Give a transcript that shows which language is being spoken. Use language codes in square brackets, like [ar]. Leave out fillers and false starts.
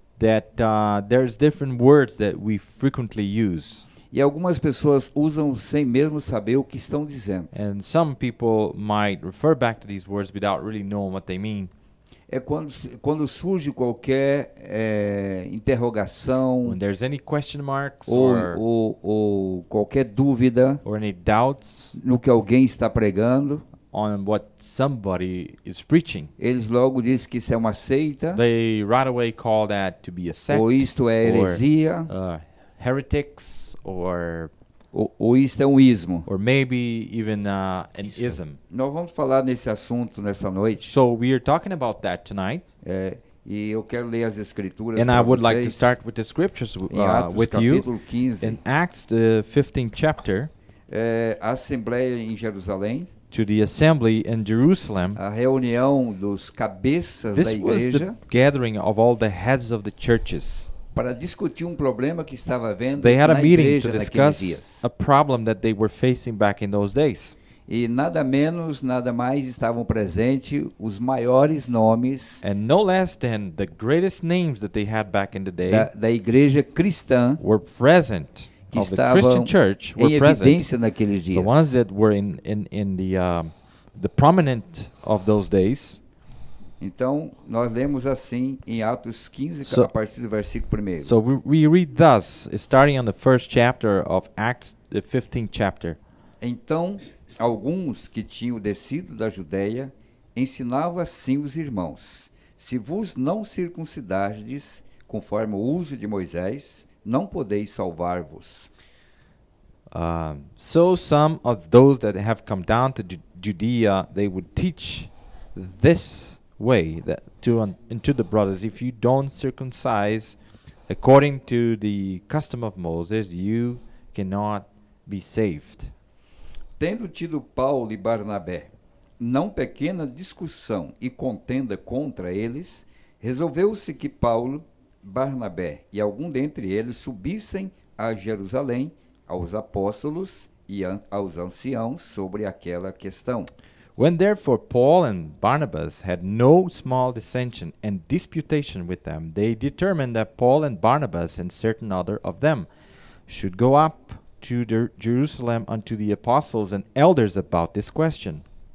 [en] That there's different words that we frequently use. [pt] E algumas pessoas usam sem mesmo saber o que estão dizendo. [en] And some people might refer back to these words without really knowing what they mean. [pt] É quando surge qualquer interrogação. [en] When there's any question marks [pt] ou qualquer dúvida. [en] Or any doubts. [pt] No que alguém está pregando. [en] On what somebody is preaching. [pt] Eles logo dizem que isso é uma seita. [en] They right away call that to be a sect. [pt] Ou isto é heresia. [en] Heretics. [pt] Ou isto é um ismo. [en] Or maybe even an ism. [pt] Nós vamos falar nesse assunto nessa noite. [en] So we are talking about that tonight. [pt] E eu quero ler as escrituras. [en] And I would like to start with the scriptures with you. In Acts the 15th chapter. [pt] Assembleia em Jerusalém. [en] To the assembly in Jerusalem. [pt] A reunião dos cabeças [en] this [pt] da igreja. [en] This was the gathering of all the heads of the churches. [pt] Para discutir problema que estava havendo. [en] They had [pt] na [en] a meeting to discuss a problem that they were facing back in those days. [pt] E nada menos, nada mais estavam presentes os maiores nomes. [en] And no less than the greatest names that they had back in the day. [pt] Da igreja cristã. [en] Were present. [pt] Que [en] of the Christian church were present, the ones that were in the prominent of those days. [pt] Então, nós lemos assim em Atos 15, so, a partir do versículo 1. [en] So we read thus, starting on the first chapter of Acts, the 15th chapter. [pt] Então, alguns que tinham descido da Judeia ensinavam assim os irmãos: se vos não circuncidardes conforme o uso de Moisés, não podeis salvar-vos. [en] So some of those that have come down to Judea, they would teach this way that to the brothers, if you don't circumcise according to the custom of Moses, you cannot be saved. [pt] Tendo tido Paulo e Barnabé não pequena discussão e contenda contra eles, resolveu-se que Paulo, Barnabé e algum dentre eles subissem a Jerusalém aos apóstolos e aos anciãos sobre aquela questão. [en] When therefore Paul and Barnabas had no small dissension and disputation with them, they determined that Paul and Barnabas and certain other of them should go up to Jerusalem unto the apostles and elders about this question.